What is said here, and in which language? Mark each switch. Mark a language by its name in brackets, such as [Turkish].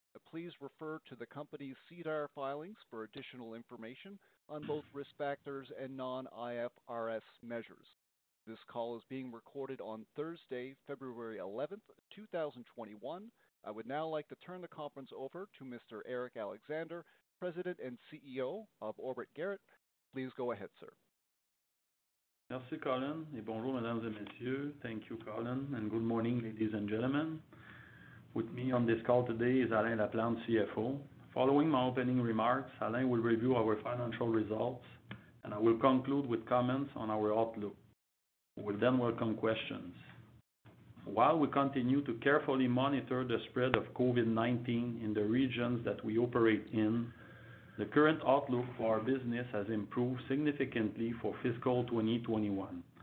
[English] Please refer to the company's SEDAR filings for additional information on both risk factors and non-IFRS measures. This call is being recorded on Thursday, February 11th, 2021. I would now like to turn the conference over to Mr. Eric Alexander, President and CEO of Orbit Garant. Please go ahead, sir. [French] Merci, Colin, et bonjour, mesdames et messieurs. [English] Thank you, Colin, and good morning, ladies and gentlemen. With me on this call today is Alain Laplante, CFO. Following my opening remarks, Alain will review our financial results, and I will conclude with comments on our outlook. We will then welcome questions. While we continue to carefully monitor the spread of COVID-19 in the regions that we operate in, the current outlook for our business has improved significantly for fiscal 2021.